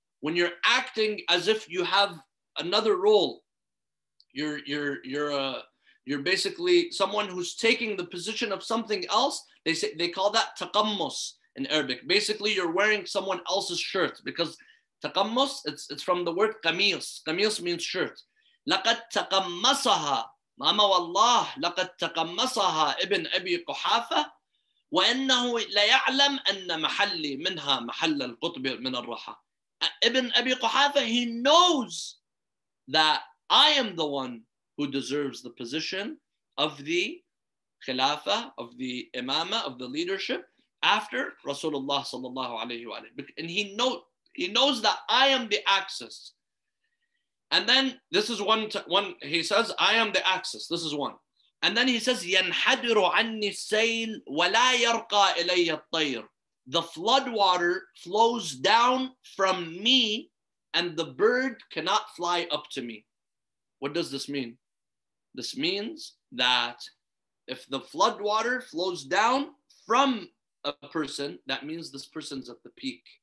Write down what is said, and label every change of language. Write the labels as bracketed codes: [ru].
[en] When you're acting as if you have another role, You're basically someone who's taking the position of something else. They call that taqammus in Arabic. Basically, you're wearing someone else's shirt, because taqammus, it's from the word qamis. Qamis means shirt. [ar] لَقَدْ تَقَمَّصَهَا مَا وَاللَّهِ لَقَدْ تَقَمَّصَهَا إِبْنْ أَبِي قُحَافَ وَإِنَّهُ لَيَعْلَمْ أَنَّ مَحَلِّي مِنْهَا مَحَلَّ الْقُطْبِ مِنَ الرَّحَى. [en] Ibn Abi Quhafa, he knows that I am the one who deserves the position of the khilafah, of the imama, of the leadership after Rasulullah sallallahu alayhi wa alayhi. And he knows that I am the axis. And then this is one, he says, I am the axis. This is one. And then he says, [ar] يَنْحَدِرُ عَنِّي السَّيْلِ وَلَا يَرْقَى إِلَيَّ الطَّيْرِ. [en] The flood water flows down from me and the bird cannot fly up to me. What does this mean? This means that if the flood water flows down from a person, that means this person's at the peak.